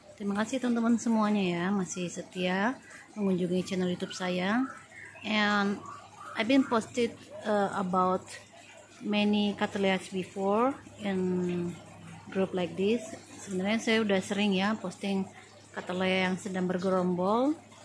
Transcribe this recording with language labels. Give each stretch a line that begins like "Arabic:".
Indonesian: Terima kasih teman-teman semuanya ya, masih setia mengunjungi channel YouTube saya.
English: And I've been posted about many cattleyas before in group like this.
Indonesian: Sebenarnya saya udah sering ya posting cattleya yang sedang bergerombol.